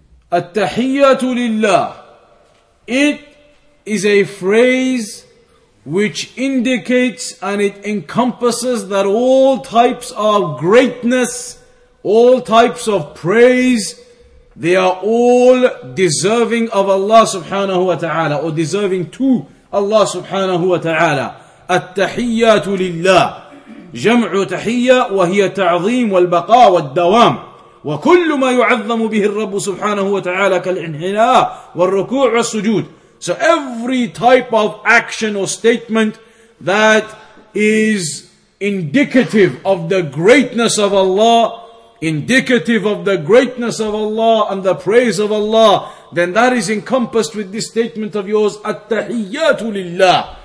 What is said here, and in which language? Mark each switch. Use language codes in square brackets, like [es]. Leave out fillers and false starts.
[ar] At-tahiyyatu lillah. [en] It is a phrase which indicates and it encompasses that all types of greatness, all types of praise, they are all deserving of Allah subhanahu wa ta'ala, or deserving to Allah subhanahu wa ta'ala. [ar] At-tahiyyatu lillah. جمع تحية وهي تعظيم والبقاء والدوام وكل ما يعظم به الرب سبحانه وتعالى كالإنحناء والركوع والسجود. [en] So every type of action or statement that is indicative of the greatness of Allah, indicative of the greatness of Allah and the praise of Allah, then that is encompassed with this statement of yours, التحيات لله.